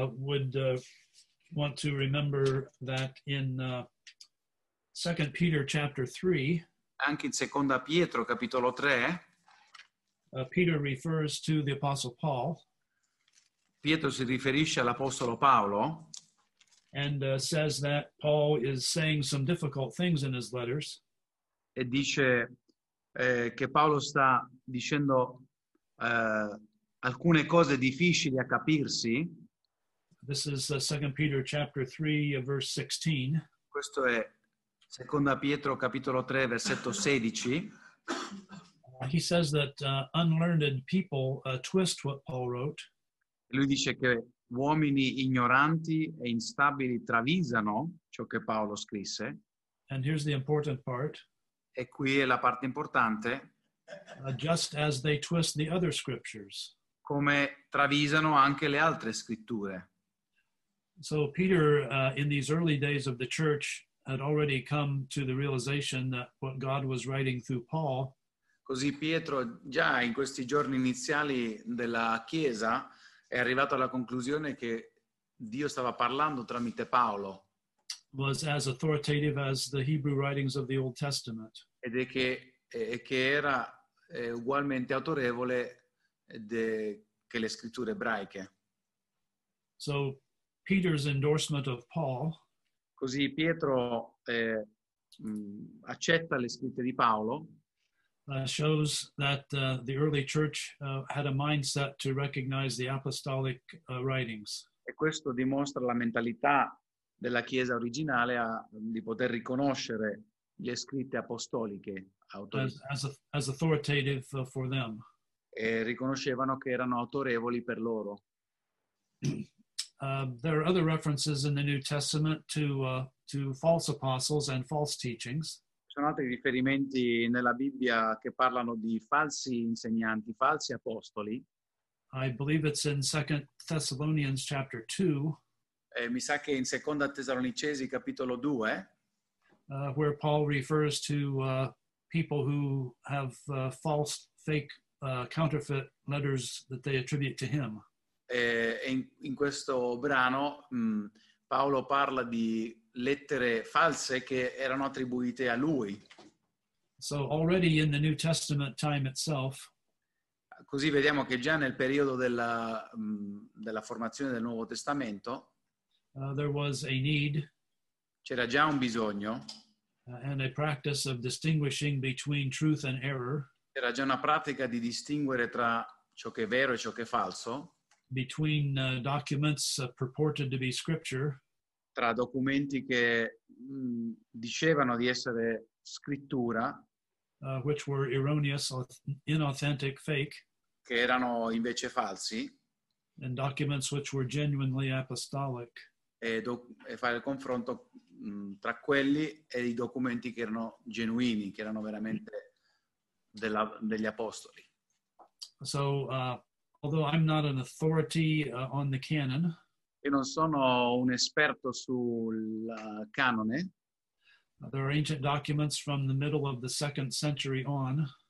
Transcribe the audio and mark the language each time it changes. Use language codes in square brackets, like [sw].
[en] I also want to remember that in 2 Peter chapter 3, [it] anche in Seconda Pietro capitolo 3, [en] Peter refers to the Apostle Paul. [it] Pietro si riferisce all'Apostolo Paolo, [en] and says that Paul is saying some difficult things in his letters. [it] E dice che Paolo sta dicendo alcune cose difficili a capirsi. [en] This is 2 Peter chapter 3, verse 16. [it] Questo è Seconda Pietro capitolo 3, versetto 16. [en] He says that unlearned people twist what Paul wrote. [it] Lui dice che uomini ignoranti e instabili travisano ciò che Paolo scrisse. [en] And here's the important part. [it] E qui è la parte importante. [en] Just as they twist the other scriptures. [it] Come travisano anche le altre scritture. [en] So Peter, in these early days of the church, had already come to the realization that what God was writing through Paul. [it] Così Pietro, già in questi giorni iniziali della Chiesa, è arrivato alla conclusione che Dio stava parlando tramite Paolo. [en] Was as authoritative as the Hebrew writings of the Old Testament. [it] Ed è che era ugualmente autorevole che le scritture ebraiche. [en] So Peter's endorsement of Paul. [it] Così Pietro accetta le scritte di Paolo. [en] shows that the early church had a mindset to recognize the apostolic writings. [it] E questo dimostra la mentalità della Chiesa originale di poter riconoscere le scritte apostoliche [en] as authoritative for them. [it] E riconoscevano che erano autorevoli per loro. [en] There are other references in the New Testament to false apostles and false teachings. [it] Ci sono altri riferimenti nella Bibbia che parlano di falsi insegnanti, falsi apostoli. [en] I believe it's in 2 Thessalonians chapter 2. [it] E mi sa che in Seconda Tessalonicesi capitolo 2, [en] where Paul refers to people who have false, fake, counterfeit letters that they attribute to him. [it] In questo brano Paolo parla di lettere false che erano attribuite a lui. [en] So already in the New Testament time itself. [it] Così vediamo che già nel periodo della della formazione del Nuovo Testamento. [en] There was a need. [it] C'era già un bisogno. [en] And a practice of distinguishing between truth and error. [it] C'era già una pratica di distinguere tra ciò che è vero e ciò che è falso. [en] Between documents purported to be scripture. [it] Tra documenti che dicevano di essere scrittura. [en] Which were erroneous, inauthentic, fake. [it] Che erano invece falsi. [en] And documents which were genuinely apostolic. [it] E fare il confronto tra quelli e i documenti che erano genuini, che erano veramente degli apostoli. [en] So, although I'm not an authority on the canon, [it] io non sono un esperto sul canone. [en] There are ancient documents from the middle of the second century on.